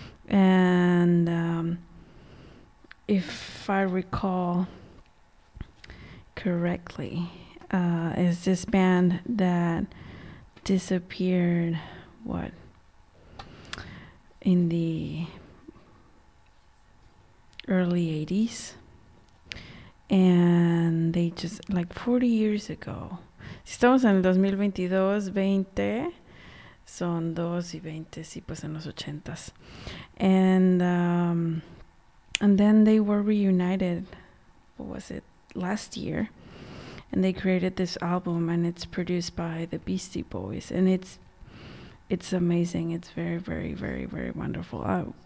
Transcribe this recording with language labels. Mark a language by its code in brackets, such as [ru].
[en] And if I recall correctly, is this band that disappeared, what, in the early 80s? And they just, like, 40 years ago. [es] Si estamos en el 2022, 20, son 2 y 20, sí, pues en los 80s. [en] And then they were reunited, what was it, last year. And they created this album, and it's produced by the Beastie Boys. And it's amazing. It's very, very, very, very wonderful.